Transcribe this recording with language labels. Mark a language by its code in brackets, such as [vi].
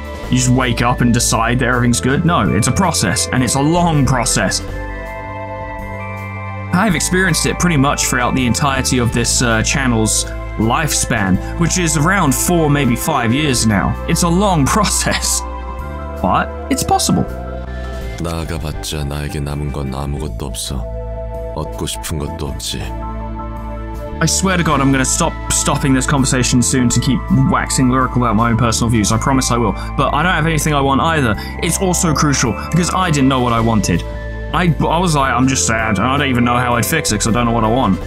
[en] You just wake up and decide that everything's good. No, it's a process, and it's a long process. I've experienced it pretty much throughout the entirety of this channel's lifespan, which is around 4, maybe 5 years now. It's a long process, but it's possible. [ko] 나아가봤자 나에게 남은 건 아무것도 없어. 얻고 싶은 것도 없지. [en] I swear to God, I'm gonna stopping this conversation soon to keep waxing lyrical about my own personal views. I promise I will. But I don't have anything I want either. It's also crucial because I didn't know what I wanted. I was like, I'm just sad, and I don't even know how I'd fix it because I don't know what I want.